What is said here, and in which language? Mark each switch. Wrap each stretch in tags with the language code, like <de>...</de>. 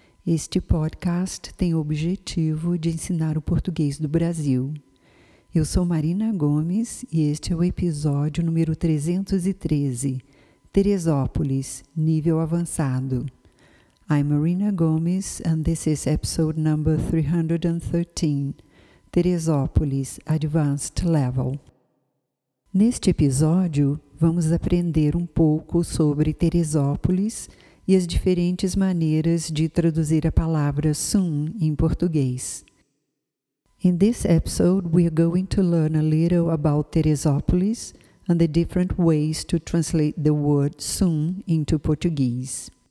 <pt>Este podcast tem o objetivo de ensinar o português do Brasil. Eu sou Marina Gomes e este é o episódio número 313, Teresópolis, nível avançado.</pt> <en>I'm Marina Gomes and this is episode number 313, Teresópolis, Advanced Level.</en> <pt>Neste episódio, vamos aprender um pouco sobre Teresópolis e as diferentes maneiras de traduzir a palavra soon em português.</pt> <en>In this episode, we are going to learn a little about Teresópolis and the different ways to translate the word soon into Portuguese.</en>